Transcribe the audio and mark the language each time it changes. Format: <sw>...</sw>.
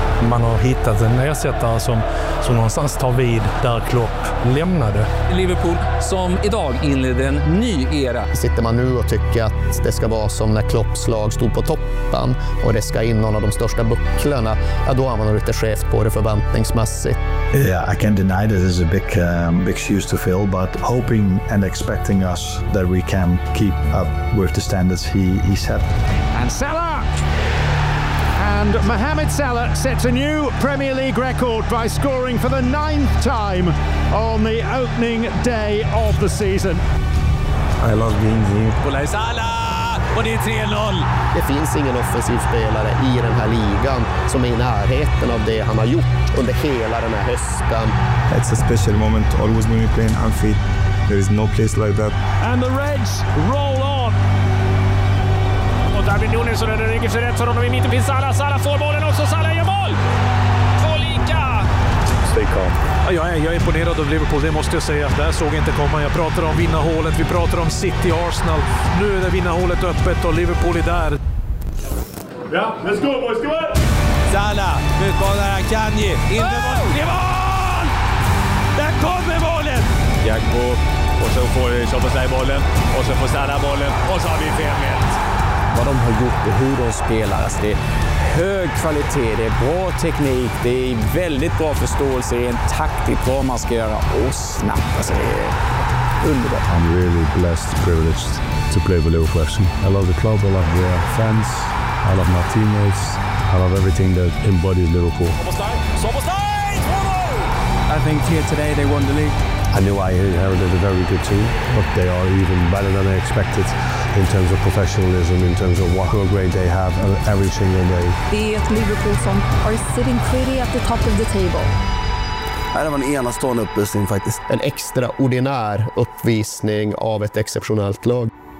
<sv>Man har hittat en ersättare som någonstans tar vid där Klopp lämnade. Liverpool som idag inleder en ny era. Sitter man nu och tycker att det ska vara som när Klopps lag stod på toppen och det ska in någon av de största bucklarna, ja, då har man nog lite skevt på det förväntningsmässigt.</sv> <en>Yeah, I can't deny that it's a big shoes to fill, but hoping and expecting us that we can keep up with the standards he set. And Salah! And Mohamed Salah sets a new Premier League record by scoring for the ninth time on the opening day of the season. I love being here.</en> <sv>Salah! Och det är 3-0! Det finns ingen offensiv spelare i den här ligan som är i närheten av det han har gjort under hela den här hösten.</sv> <en>It's a special moment, always when we play in Anfield. There is no place like that. And the Reds roll on.</en> <sv>David Nunes och den ligger för rätt för honom i mitten, finns Salah. Salah får bollen också, Salah gör mål! 2-2!</sv> <en>Stay calm.</en> <sv>Jag är imponerad av Liverpool, det måste jag säga. Det här såg jag inte komma. Jag pratar om vinnarhålet, vi pratar om City, Arsenal. Nu är det vinnarhålet öppet och Liverpool är där.</sv> <en>Ja, yeah, let's go boys, come on!</en> <sv>Salah, utmanar Akanji. In det mål! Mål! Där kommer målet! Jagbo, och så får Chopperslaj bollen. Och så får Salah bollen. Och så har vi 5-1. Vad de har gjort och hur de spelar. Alltså det är hög kvalitet, det är bra teknik, det är väldigt bra förståelse, det är en taktik vad man ska göra och snabbt. Alltså det är underbart.</sv> <en>I'm really blessed, privileged to play for Liverpool FC. I love the club, I love the fans, I love my teammates, I love everything that embodies Liverpool. I think here today they won the league. I knew I inherited a very good team, but they are even better than I expected in terms of professionalism, in terms of what a grade they have every single day. Vi at Liverpool som are sitting pretty at the top of the table.</en> <sv>Det var en enastående uppvisning faktiskt. En extraordinär uppvisning av ett exceptionellt lag.</sv>